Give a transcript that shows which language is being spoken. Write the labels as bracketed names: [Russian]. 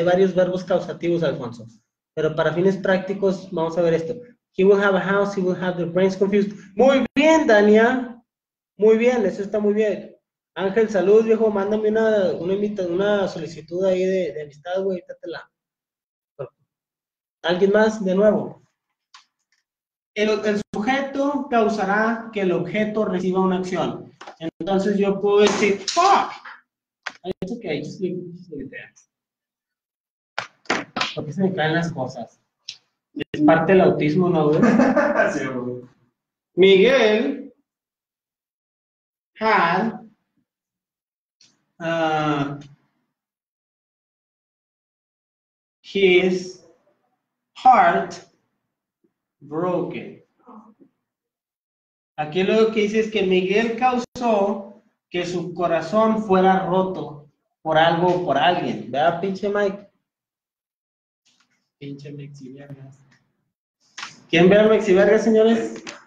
[Spanish] Hay varios verbos causativos, Alfonso. Pero para fines prácticos, vamos a ver esto. [English] He will have a house, he will have their brains confused. [Spanish] Muy bien, Dania. Muy bien, eso está muy bien. Ángel, salud, viejo. Mándame una solicitud ahí de amistad, güey. Tátela. ¿Alguien más? De nuevo. El sujeto causará que el objeto reciba una acción. Entonces yo puedo decir, [English] ¡fuck! It's okay, just leave it there. [Spanish] ¿Por qué se me caen las cosas? Es parte del autismo, ¿no? Sí, [English] Miguel had his heart broken. [Spanish] Aquí lo que dice es que Miguel causó que su corazón fuera roto por algo o por alguien. ¿Verdad, pinche Mike? Pinche Mexivergas. ¿Quieren ver al Mexivergas, señores?